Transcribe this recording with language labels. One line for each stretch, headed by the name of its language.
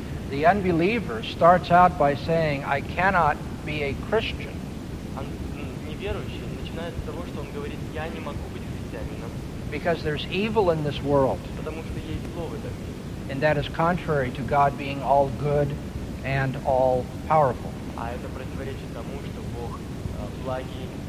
English: The unbeliever starts out by saying, I cannot be a Christian.
Russian: Неверующий начинает с того, что он говорит, я не могу быть христианином.
English: Because there's evil in this world.
Russian: Потому что есть зло в этом мире.
English: And that is contrary to God being all good and all powerful.
Russian: А это противоречит тому, что Бог благий.